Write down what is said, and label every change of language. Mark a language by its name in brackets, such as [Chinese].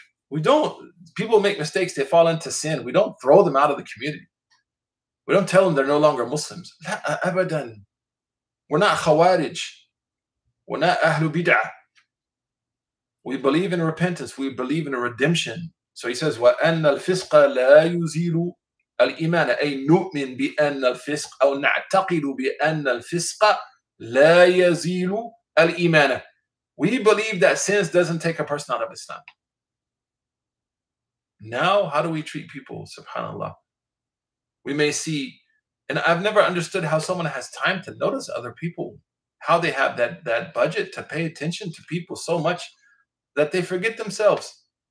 [English] We don't, people make mistakes, they fall into sin. We don't throw them out of the community. We don't tell them they're no longer Muslims. Abadan. We're not khawarij. We're not ahlu bid'ah. We believe in repentance. We believe in a redemption. So he says, [Arabic] وَأَنَّ الْفِسْقَ لَا يُزِيلُ الإيمان أي نؤمن بأن الفسق أو نعتقد بأن الفسق لا يزيل الإيمان. [English] We believe that sins doesn't take a person out of Islam. Now, how do we treat people? SubhanAllah. We may see, and I've never understood how someone has time to notice other people, how they have that budget to pay attention to people so much that they forget themselves.